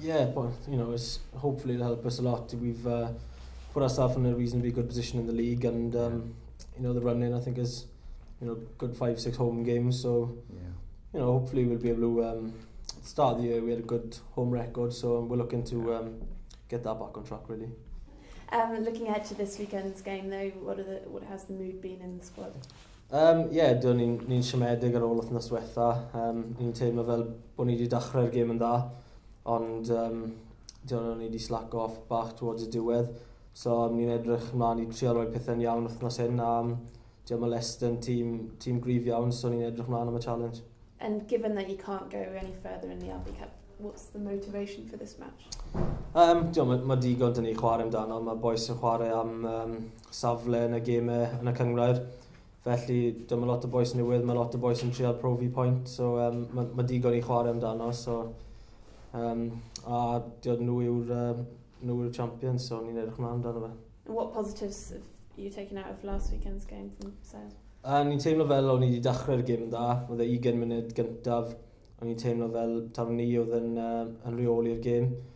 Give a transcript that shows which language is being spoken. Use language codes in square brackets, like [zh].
[en] Yeah, but you know, it's hopefully it'll help us a lot. We've put ourselves in a reasonably good position in the league, and you know, the run in I think is, you know, good 5-6 home games. So you know, hopefully we'll be able to at the start of the year we had a good home record, so we're looking to get that back on track really. Looking ahead to this weekend's game though, what has the mood been in the squad? [cy] Ni'n siomedig ar ôl wythnos diwetha. Ni'n teimlo fel bod ni wedi dechrau'r gêm yn dda, ond diwrnod ni wedi [en] slack off [cy] bach [en] towards [cy] y diwedd. So ni'n edrych ymlaen i trial roi pethau'n iawn wythnos hyn, a diwrnod ma'n Leicester tîm gryf iawn, so ni'n edrych ymlaen am y challenge. [en] And given that you can't go any further in the Albi Cup, what's the motivation for this match? [cy] Mae digon dyn ni chwarae amdano, mae boys yn chwarae am safle yn y gêmau yn y cyngryd. Felly, dyma lot o boys newydd, mae lot o boys yn trial profi point, so mae digon i chwarae amdano. So, a dyn nhw yw'r champions, so ni'n edrych mlaen amdano fe. [en] What positives have you taken out of last weekend's game from Sale? [cy] Ni'n teimlo fel o'n i wedi dechrau'r gêm yn dda, oedd e 20 munud gyntaf. O'n i'n teimlo fel tam ni oedd yn reoli'r gêm.